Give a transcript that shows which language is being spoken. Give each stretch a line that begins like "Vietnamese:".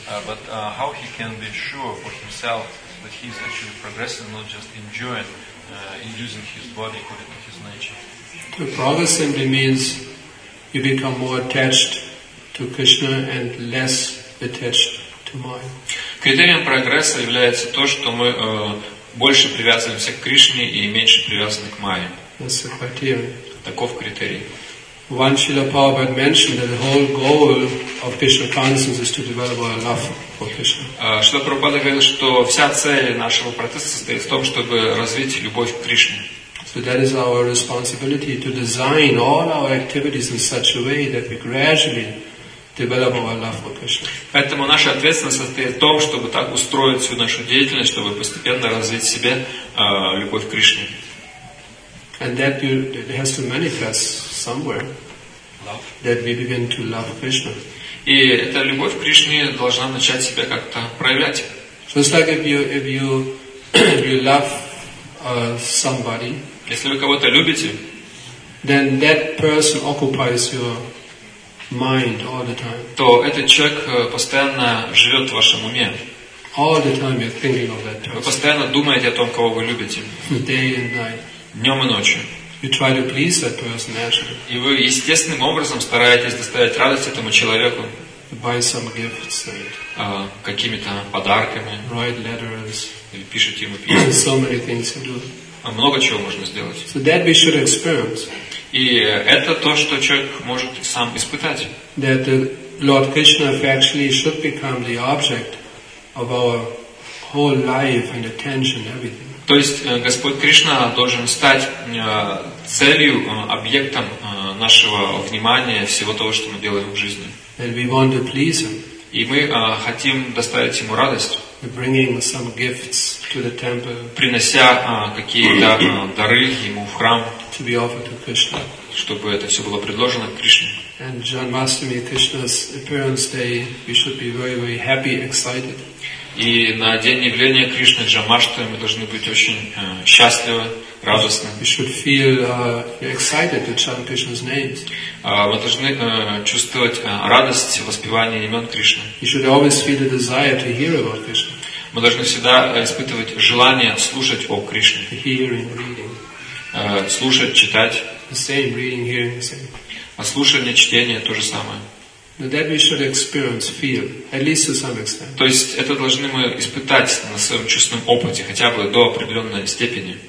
English: But how he can be sure for himself that he's actually progressing, not just enjoying using his body according to his nature? To progress simply means you become more attached to Krishna and less attached to mind.
Russian: Criterion прогресса является то, что мы больше привязываемся к Кришне и меньше привязаны к Майе.
English: That's the criterion.
Russian: Таков критерий.
English: One Srila Prabhupada mentioned that the whole goal of Krishna consciousness is to develop our love for Krishna.
Russian: Srila Prabhupada говорил, что вся цель нашего процесса состоит в том, чтобы развить любовь к Кришне.
English: So that is our responsibility to design all our activities in such a way that we gradually develop our love for Krishna.
Russian: Поэтому наша ответственность состоит в том, чтобы так устроить всю нашу деятельность, чтобы постепенно развить в себе любовь к Кришне.
English: And that you, it has to manifest somewhere. Love. That we begin to love Krishna.
Russian: И эта любовь к Кришне должна начать себя как-то проявлять.
English: Just like if you love somebody.
Russian: Если вы кого-то любите,
English: then that person occupies your mind all the time.
Russian: То этот человек постоянно живет в вашем уме.
English: All the time you're thinking of that person.
Russian: Вы постоянно думаете о том, кого вы любите.
English: Day and night.
Russian: Днем и ночью.
English: You try to please that person naturally.
Russian: И вы естественным образом стараетесь доставить радость этому человеку.
English: Buy some gifts and
Russian: какими-то подарками.
English: Write letters.
Russian: Или пишите ему письма.
English: So many things you do.
Russian: А много чего можно сделать.
English: So that we should experience.
Russian: И это то, что человек может сам испытать.
English: That the Lord Krishna actually should become the object of our whole life and attention, everything.
Russian: То есть Господь Кришна должен стать целью, объектом нашего внимания, всего того, что мы делаем в жизни.
English: And we want to please Him.
Russian: И мы хотим доставить Ему радость.
English: Bringing some gifts to the temple.
Russian: Принося какие-то дары Ему в храм.
English: To be offered to Krishna.
Russian: Чтобы это все было предложено Кришне.
English: And Janmashtami, Krishna's appearance day, we should be very, very happy, excited.
Russian: И на день явления Кришны Джанмаштами мы должны быть очень счастливы, радостны.
English: We should feel excited to chant Krishna's names.
Russian: Мы должны чувствовать радость воспевания имен Кришны.
English: We should always feel the desire to hear about Krishna.
Russian: Мы должны всегда испытывать желание слушать о Кришне.
English: To hear and read.
Russian: Слушать, читать.
English: The same, reading, hearing, same.
Russian: А слушание, чтение то же самое.
English: That we should experience, feel, at least to some extent.
Russian: То есть это должны мы испытать на своем чувственном опыте, хотя бы до определенной степени.